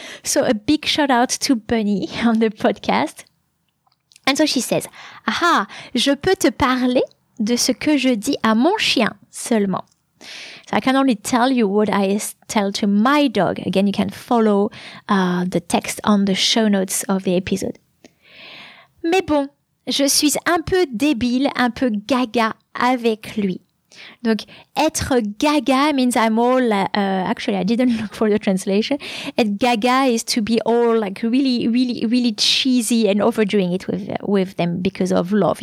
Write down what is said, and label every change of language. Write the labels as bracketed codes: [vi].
[en] So a big shout out to Bunny on the podcast. And so she says, aha, [fr] je peux te parler de ce que je dis à mon chien seulement. [en] So I can only tell you what I tell to my dog. Again, you can follow the text on the show notes of the episode. [fr] Mais bon, je suis un peu débile, un peu gaga avec lui. [en] Donc, être gaga means I'm all, actually, I didn't look for the translation. Et gaga is to be all like really, really, really cheesy and overdoing it with them because of love.